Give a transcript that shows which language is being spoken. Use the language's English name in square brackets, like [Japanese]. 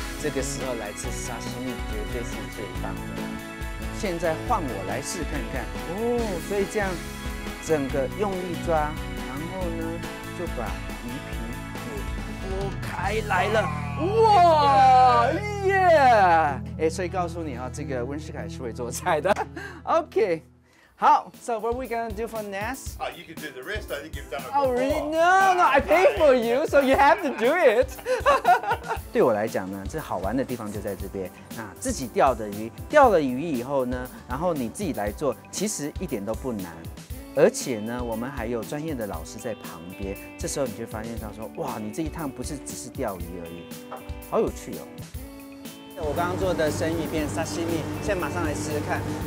[Chinese] 这个时候来吃沙西米绝对是最棒的。现在换我来试看看哦，所以这样整个用力抓，然后呢就把鱼皮给剥开来了，哇耶！哎，所以告诉你啊，这个温世凯是会做菜的 ，OK。好 [English] ，So what are we gonna do for Ness? Oh, you can do the rest. I think you've done it before. Oh, really? No, I pay for you, so you have to do it. [Chinese] 对我来讲呢，这好玩的地方就在这边。那自己钓的鱼，钓了鱼以后呢，然后你自己来做，其实一点都不难。而且呢，我们还有专业的老师在旁边。这时候你就发现到说，哇，你这一趟不是只是钓鱼而已，好有趣哦。我刚刚做的生鱼片沙西米，现在马上来试试看。